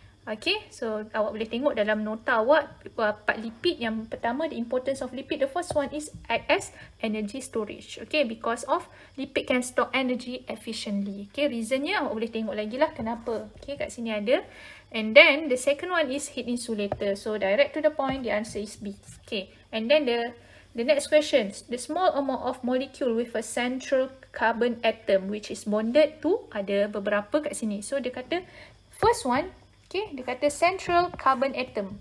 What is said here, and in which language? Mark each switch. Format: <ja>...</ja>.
<ms>Okay, so awak boleh tengok dalam nota awak part lipid yang pertama,</ms> <en>the importance of lipid. The first one is as energy storage. Okay, because of lipid can store energy efficiently.</en> <ms>Okay, reasonnya awak boleh tengok lagi lah kenapa. Okay, kat sini ada.</ms> <en>And then the second one is heat insulator. So direct to the point, the answer is B. Okay, and then the next question. The small amount of molecule with a central carbon atom which is bonded to,</en> <ms>ada beberapa kat sini.</ms> <en>So</en> <ms>dia kata</ms> <en>first one, okay, dia kata central carbon atom.</en>